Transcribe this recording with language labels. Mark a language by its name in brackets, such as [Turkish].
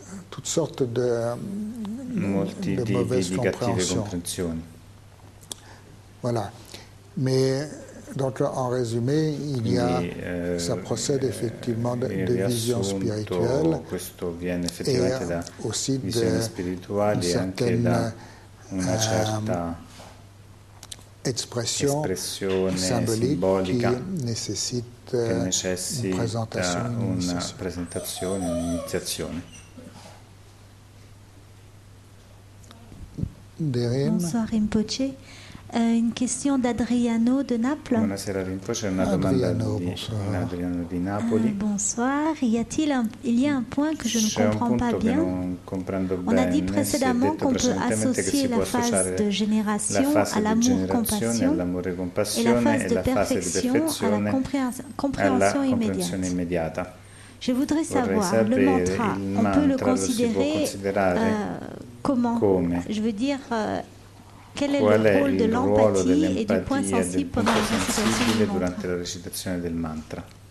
[French] toutes sortes de mauvaises compréhensions. Voilà. Mais donc, en résumé, il y a, ça procède effectivement de vision spirituelle, [Italian] questo viene effettivamente da [French] aussi [Italian] visione spirituale, anche da una certa espressione simbolica che necessita una presentazione, un'iniziazione. [French] Bonsoir, Rinpoche. Une question d'Adriano de Naples. [Italian] Buonasera, Rinpoche, una domanda di Adriano di Napoli. [French] Bonsoir. Il y a un point que je ne comprends pas bien. [Italian] C'è un punto che non comprendo bene. [French] On a dit précédemment qu'on peut associer la phase de génération à l'amour compassion et la phase de perfection à la compréhension immédiata. Je voudrais savoir le mantra. On peut le considérer comment? Je veux dire. [Italian] Qual è il ruolo dell'empatia e del punto sensibile durante la recitazione del mantra?